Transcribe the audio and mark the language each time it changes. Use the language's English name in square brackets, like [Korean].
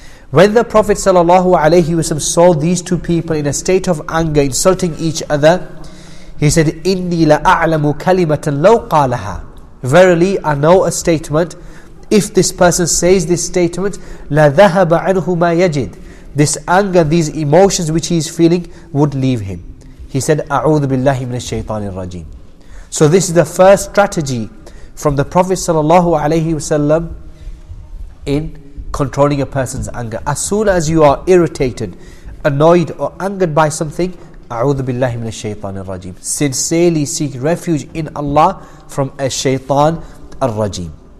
[English] When the Prophet sallallahu alaihi wasallam saw these two people in a state of anger insulting each other, he said, [Arabic] إني لأعلم كلمة لو قالها. [English] Verily, I know a statement. If this person says this statement, [Arabic] la ذَهَبَ عَنْهُ مَا يَجِدْ, [English] this anger, these emotions which he is feeling would leave him. He said, [Arabic] أَعُوذُ بِاللَّهِ مِنَ الشَّيْطَانِ الرَّجِيمِ. [English] So this is the first strategy from the Prophet sallallahu alaihi wasallam in controlling a person's anger. As soon as you are irritated, annoyed or angered by something, [Arabic] أَعُوذُ بِاللَّهِ مِنَ الشَّيْطَانِ الرَّجِيمِ, [English] sincerely seek refuge in Allah from a shaytan al-rajim.